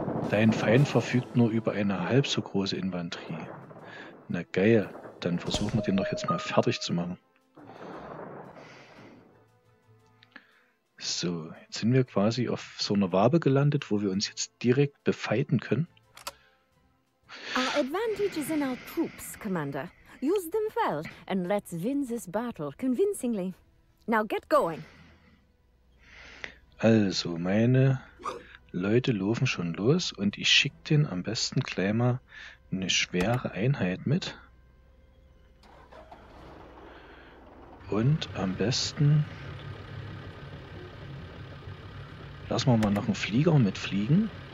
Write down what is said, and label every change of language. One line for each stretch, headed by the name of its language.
German: Dein Feind verfügt nur über eine halb so große Infanterie. Na geil, dann versuchen wir den doch jetzt mal fertig zu machen. So, jetzt sind wir quasi auf so einer Wabe gelandet, wo wir uns jetzt direkt befighten können.
English: Our advantage is in our troops, Commander. Use them well and let's win this battle convincingly. Now get going.
German: Also, meine Leute laufen schon los und ich schicke den am besten gleich mal eine schwere Einheit mit. Und am besten lassen wir mal noch einen Flieger mitfliegen.